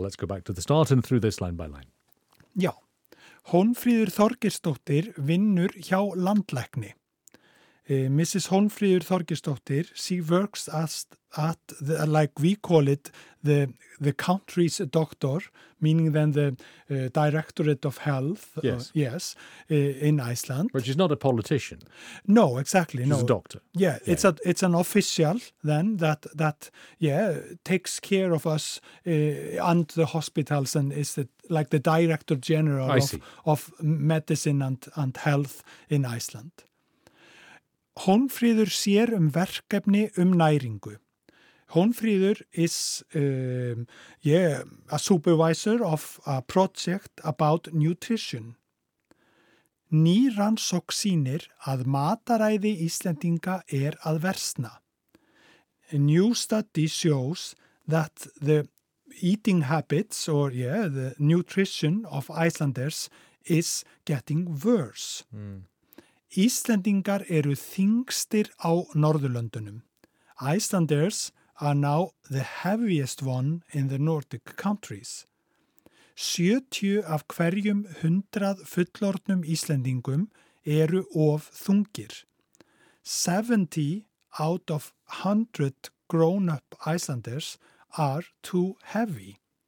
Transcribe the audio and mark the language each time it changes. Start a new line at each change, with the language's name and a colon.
English: Let's go back to the start and through this line by line.
Icelandic: Já. Hólmfríður Þorgeirsdóttir vinnur hjá landlækni.
English: Mrs. Hólmfríður Þorgeirsdóttir, she works at the country's doctor, meaning then the directorate of health. Yes. In Iceland. But she's not a politician. No, exactly. She's a doctor. Yeah, it's an official then that takes care of us and the hospitals and is the director general of medicine and health in Iceland.
Icelandic: Hólmfríður sér verkefni næringu.
English: Hólmfríður is a supervisor of a project about nutrition.
Icelandic: Ný rannsók sýnir að mataræði Íslendinga að versna.
English: A new study shows that the eating habits the nutrition of Icelanders is getting worse. Mm.
Icelandic: Íslendingar þyngstir á Norðurlöndunum.
English: Icelanders are now the heaviest one in the Nordic countries.
Icelandic: 70 af hverjum 100 fullorðnum Íslendingum of þungir.
English: 70 out of 100 grown-up Icelanders are too heavy.